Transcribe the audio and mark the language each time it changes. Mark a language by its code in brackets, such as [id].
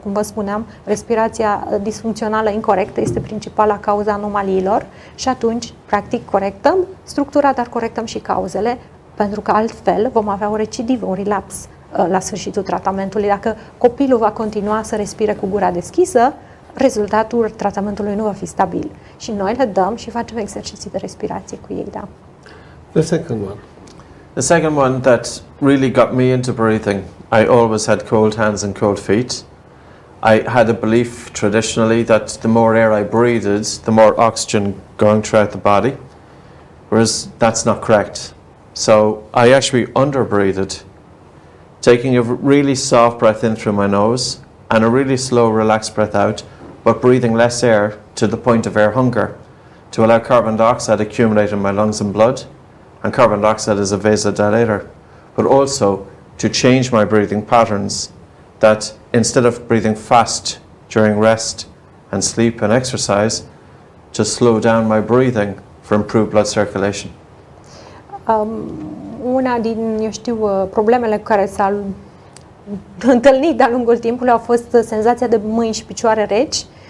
[ro] Cum vă spuneam, respirația disfuncțională incorrectă este principala cauza anomaliilor și atunci, practic, corectăm structura, dar corectăm și cauzele, pentru că altfel vom avea o recidivă, un relaps la sfârșitul tratamentului. Dacă copilul va continua să respire cu gura deschisă, rezultatul tratamentului nu va fi stabil. Și noi le dăm și facem exerciții de respirație cu ei, da. [en] The second one. The second one that really got me into breathing. I always had cold hands and cold feet. I had a belief traditionally that the more air I breathed, the more oxygen going throughout the body. Whereas that's not correct. So I actually underbreathed, taking a really soft breath in through my nose and a really slow, relaxed breath out, but breathing less air to the point of air hunger to allow carbon dioxide accumulate in my lungs and blood. And carbon dioxide is a vasodilator, but also to change my breathing patterns that instead of breathing fast during rest and sleep and exercise, to slow down my breathing for improved blood circulation. [ro] Una din, problemele cu care s-a întâlnit de-a lungul timpului a fost senzația de mâini și picioare reci.